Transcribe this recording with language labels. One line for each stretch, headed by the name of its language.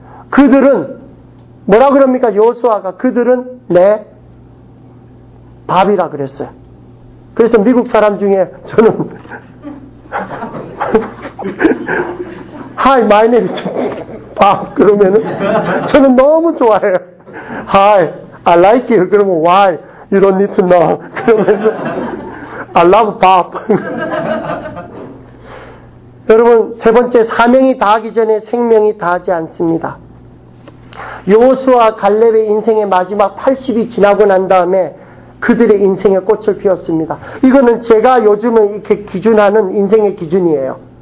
Korean: 그들은 뭐라 그럽니까? 여호수아가 그들은 내 밥이라 그랬어요. 그래서 미국 사람 중에 저는
English: 하이 마이 네임 이즈 밥
Korean: 그러면은 저는 너무 좋아해요.
English: 하이 I like you
Korean: 그러면
English: why you don't need to know
Korean: 그러면서
English: I love 밥.
Korean: 여러분 세 번째, 사명이 다하기 전에 생명이 다하지 않습니다. 여호수아 갈렙의 인생의 마지막 80이 지나고 난 다음에 그들의 인생에 꽃을 피웠습니다. 이거는 제가 요즘은 이렇게 기준하는 인생의 기준이에요.